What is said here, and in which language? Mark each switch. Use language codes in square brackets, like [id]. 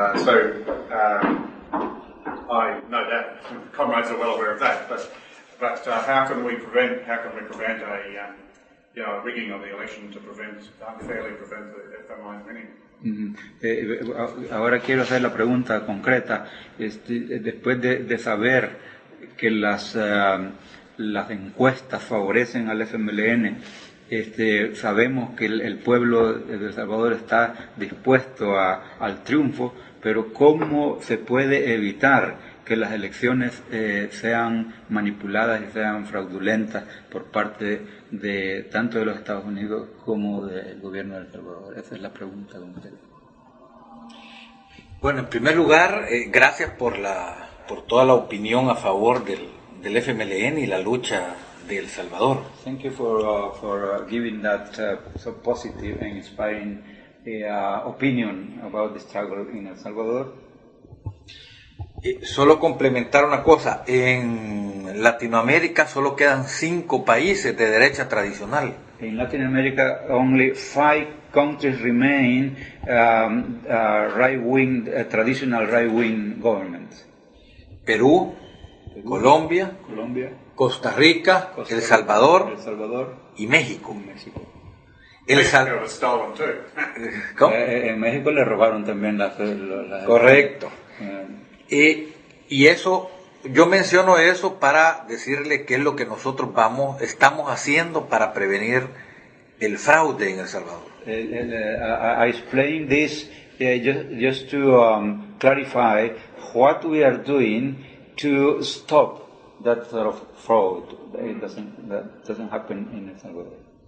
[en] I know that comrades are well aware of that, but how can we prevent a rigging of the election to unfairly prevent the FMLN winning? [es] Ahora quiero hacer la pregunta concreta. Después de saber que las encuestas favorecen al FMLN, sabemos que el pueblo de El Salvador está dispuesto al triunfo, pero ¿cómo se puede evitar que las elecciones sean manipuladas y sean fraudulentas por parte de tanto de los Estados Unidos como del gobierno de El Salvador? Esa es la pregunta de usted. Bueno, en primer lugar, gracias por toda la opinión a favor del FMLN y la lucha de El Salvador. [en] Thank you for giving that so positive and inspiring opinion about the struggle in El Salvador. [es] Solo complementar una cosa, en Latinoamérica solo quedan 5 países de derecha tradicional. [en] In Latin America only 5 countries remain traditional right wing governments. [es] Perú, Colombia, Costa Rica, El Salvador y México. En México le robaron también las correcto. Y eso, yo menciono eso para decirle qué es lo que nosotros estamos haciendo para prevenir el fraude en El Salvador. [en] I explain this just to clarify what we are doing to stop that sort of fraud that doesn't happen in El Salvador.